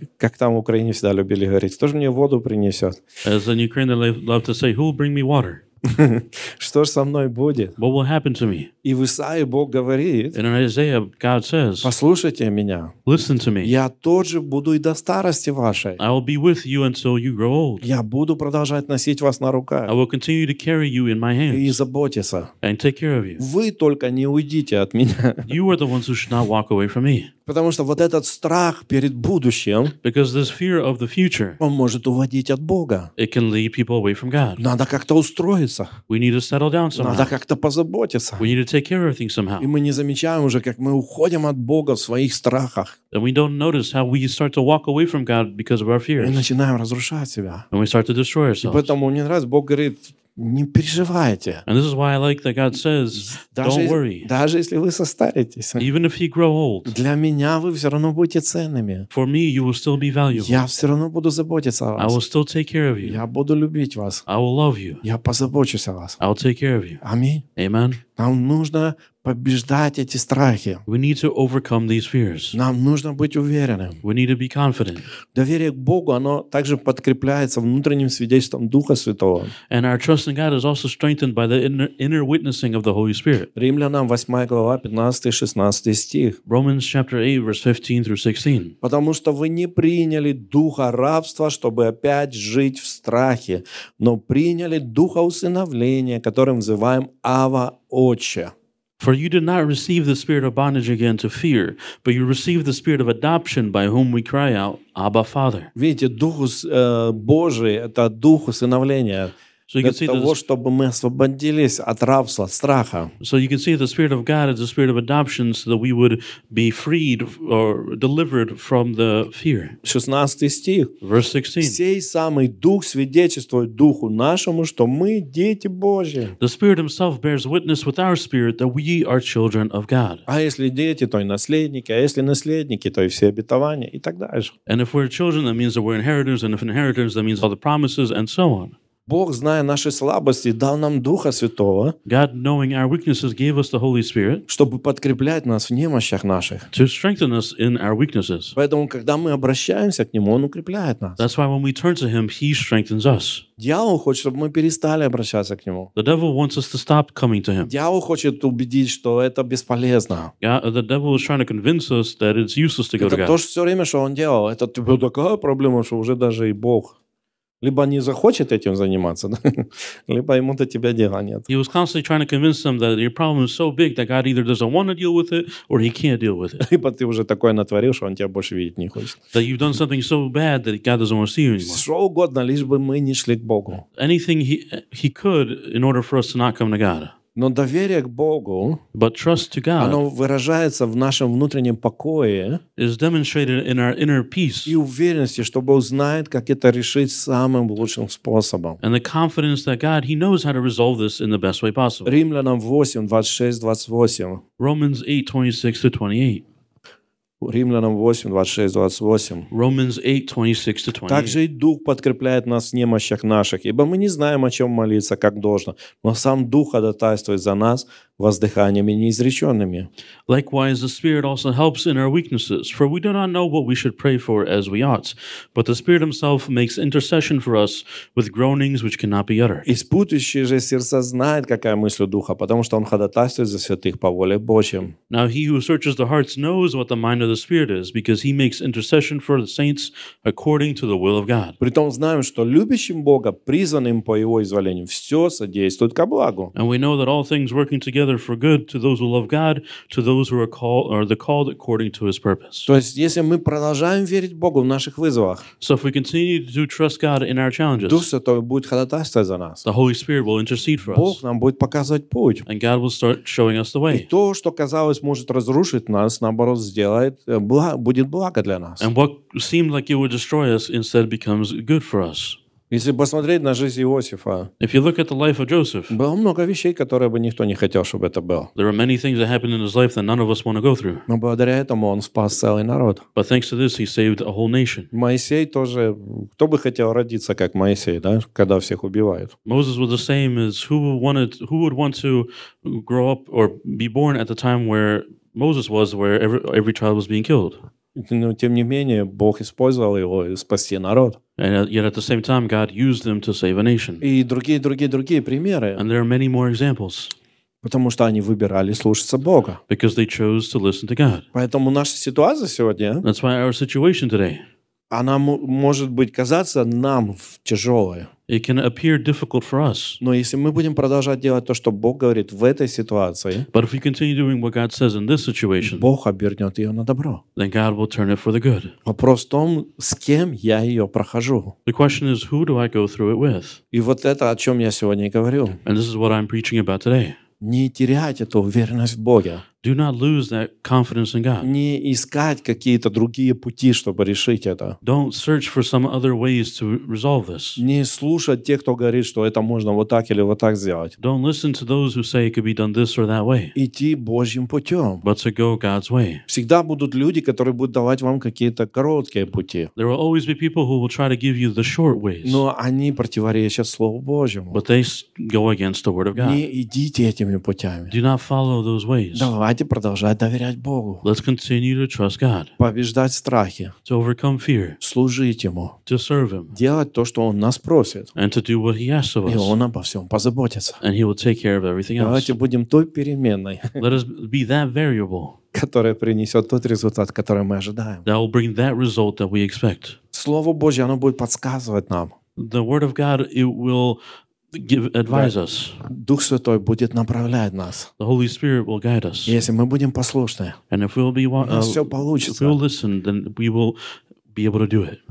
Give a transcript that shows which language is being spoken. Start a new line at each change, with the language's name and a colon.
Russian: Как там в Украине всегда любили говорить, кто же мне воду принесет?
English: As in Ukraine they love to say, who will bring me water?
Russian: Что же со мной будет?
English: What will happen to me?
Russian: И в Исаии Бог говорит,
English: and in Isaiah, God says,
Russian: послушайте меня,
English: listen to me.
Russian: Я тоже буду и до старости вашей.
English: I will be with you until you grow old.
Russian: Я буду продолжать носить вас на руках.
English: I will continue to carry you in my hands.
Russian: И заботиться.
English: And take care of you.
Russian: Вы только не уйдите от меня.
English: You are the ones who should not walk away from me.
Russian: Потому что вот этот страх перед будущим,
English: because this fear of the future,
Russian: он может уводить от Бога.
English: It can lead people away from God.
Russian: Надо как-то устроиться.
English: We need to settle down somehow.
Russian: Надо как-то позаботиться.
English: We need to take care of everything somehow.
Russian: И мы не замечаем уже, как мы уходим от Бога в своих страхах.
English: And we don't notice how we start to walk away from God because of our fears.
Russian: И начинаем разрушать себя.
English: And we start to destroy ourselves.
Russian: И поэтому мне нравится, Бог говорит, не переживайте.
English: And this is why I like that God says, don't worry.
Russian: Даже если вы состаритесь,
English: even if you grow old,
Russian: для меня вы все равно будете ценными.
English: For me, you will still be valuable.
Russian: Я все равно буду заботиться о вас.
English: I will still take care of you.
Russian: Я буду любить вас.
English: I will love you.
Russian: Я позабочусь о вас.
English: I will take care of you.
Russian: Аминь.
English: Amen.
Russian: Нам нужно побеждать эти страхи.
English: We need to overcome these fears.
Russian: Нам нужно быть уверенным.
English: We need to be confident.
Russian: Доверие к Богу, оно также подкрепляется внутренним свидетельством Духа Святого.
English: And our trust in God is also strengthened by the inner witnessing of the Holy Spirit.
Russian: Римлянам 8 глава 15-16 стих.
English: Romans chapter 8 verse 15 through 16.
Russian: Потому что вы не приняли духа рабства, чтобы опять жить в страхе, но приняли духа усыновления, которым взываем Ава, Отче.
English: For you did not receive the spirit of bondage again to fear, but you received the spirit of adoption, by whom we cry out, Abba, Father.
Russian: Видите, Дух Божий – это Дух усыновления.
English: So you can see
Russian: того, чтобы мы освободились от рабства, от страха.
English: So you can see the spirit of God is the spirit of adoption, so that we would be freed or delivered from the fear.
Russian: 16 стих.
English: Verse 16.
Russian: Сей самый Дух свидетельствует Духу нашему, что мы дети Божьи.
English: The Spirit Himself bears witness with our spirit that we are children of God.
Russian: А если дети, то и наследники, а если наследники, то и все обетования и так дальше.
English: And if we're children, that means that we're inheritors, and if inheritors, that means all the promises and so on.
Russian: Бог, зная наши слабости, дал нам Духа Святого,
English: God, knowing our weaknesses, gave us the Holy Spirit,
Russian: чтобы подкреплять нас в немощах наших.
English: To strengthen us in our weaknesses.
Russian: Поэтому, когда мы обращаемся к Нему, Он укрепляет нас.
English: That's why when we turn to Him, He strengthens us.
Russian: Дьявол хочет, чтобы мы перестали обращаться к Нему.
English: The devil wants us to stop coming to Him.
Russian: Дьявол хочет убедить, что это бесполезно.
English: The devil is trying to convince us that it's useless to go to God.
Russian: Это то, что все время, что он делал. Это типа, такая проблема, что уже даже и Бог... Либо не захочет этим заниматься, да? Либо ему до тебя дела нет.
English: He was constantly trying to convince them that your problem is so big that God either doesn't want to deal with it or He can't deal with it.
Russian: Либо ты уже такое натворил, что Он тебя больше видеть не хочет.
English: That you've done something so bad that God doesn't want to see you anymore.
Russian: Что угодно, лишь бы мы не шли к Богу.
English: Anything he could in order for us to not come to God.
Russian: Но доверие к Богу,
English: but trust to God,
Russian: оно выражается в нашем внутреннем покое,
English: is demonstrated in our inner peace,
Russian: и уверенности, что Бог знает, как это решить самым лучшим способом.
English: And the confidence that God, He knows how to resolve this in the best way possible.
Russian: Римлянам 8:26-28.
English: Romans 8:26-28.
Russian: Римлянам 8:26-28.
English: Romans 8:26-28.
Russian: Также и Дух подкрепляет нас в немощах наших, ибо мы не знаем, о чем молиться, как должно, но сам Дух ходатайствует за нас воздыханиями неизреченными.
English: Likewise, the Spirit also helps in our weaknesses, for we do not know what we should pray for as we ought, but the Spirit Himself makes intercession for us with groanings which cannot be uttered.
Russian: Испутующий же сердца знает, какая мысль у Духа, потому что он ходатайствует за святых по воле Божьим.
English: Now he who searches the hearts knows what the mind of the Spirit is, because he makes intercession for the saints according to the will of God.
Russian: Притом знаем, что любящим Бога, призванным по Его изволению, все содействует ко благу.
English: And we know that all things working together for good to those who love God, to those who are called according to His purpose.
Russian: То есть, если мы продолжаем верить Богу в наших вызовах,
English: so if we continue to trust God in our challenges,
Russian: Дух Святой будет ходатайствовать за нас.
English: The Holy Spirit will intercede for us.
Russian: Бог нам будет показывать путь.
English: And God will start showing us the way.
Russian: И то, что казалось может разрушить нас, наоборот сделает благо, будет благо для нас.
English: And what seemed like it would destroy us instead becomes good for us.
Russian: Если посмотреть на жизнь Иосифа,
English: if you look at the life of Joseph,
Russian: было много вещей, которые бы никто не хотел, чтобы это было.
English: There are many things that happened in his life that none of us want to go through.
Russian: Но благодаря этому он спас целый народ.
English: But thanks to this, he saved a whole nation.
Russian: Моисей тоже, кто бы хотел родиться как Моисей, да, когда всех убивают?
English: Moses was the same as who would want to grow up or be born at the time where Moses was, where every child was being killed.
Russian: Но тем не менее Бог использовал его спасти народ.
English: And yet at the same time God used them to save a nation.
Russian: И другие примеры.
English: And there are many more examples.
Russian: Потому что они выбирали слушаться Бога.
English: Because they chose to listen to God.
Russian: Поэтому наша ситуация сегодня.
English: That's why our situation today.
Russian: Она может быть казаться нам тяжелой.
English: It can appear difficult for us.
Russian: Но если мы будем продолжать делать то, что Бог говорит в этой ситуации,
English: but if we continue doing what God says in this situation,
Russian: Бог обернет ее на добро.
English: Then God will turn it for the good.
Russian: Вопрос в том, с кем я ее прохожу.
English: The question is, who do I go through it with?
Russian: И вот это, о чем я сегодня и говорил.
English: And this is what I'm preaching about today.
Russian: Не терять эту уверенность в Боге.
English: Do not lose that confidence in God.
Russian: Не искать какие-то другие пути, чтобы решить это.
English: Don't search for some other ways to resolve this.
Russian: Не слушать тех, кто говорит, что это можно вот так или вот так сделать.
English: Don't listen to those who say it could be done this or that way.
Russian: Идти Божьим путем.
English: But to go God's way.
Russian: Всегда будут люди, которые будут давать вам какие-то короткие пути.
English: There will always be people who will try to give you the short ways.
Russian: Но они противоречат Слову Божьему.
English: But they go against the Word of God.
Russian: Не идите этими путями.
English: Do not follow those ways.
Russian: Давай. Давайте продолжать доверять Богу.
English: Let's continue to trust God.
Russian: Побеждать страхи.
English: To overcome fear.
Russian: Служить Ему.
English: To serve Him.
Russian: Делать то, что Он нас просит.
English: And to do what He asks of us.
Russian: И Он обо всем позаботится.
English: And He will take care of everything else.
Russian: Давайте будем той переменной.
English: Let us be that variable.
Russian: Которая принесет тот результат, который мы ожидаем.
English: That will bring that result that we expect.
Russian: Слово Божье, оно будет подсказывать нам.
English: The Word of God, it will give, advise us.
Russian: Дух Святой будет направлять нас.
English: The Holy Spirit will guide us.
Russian: Если мы будем послушны,
English: and if we'll be,
Russian: все получится.
English: If we'll listen, then we will be able to do it.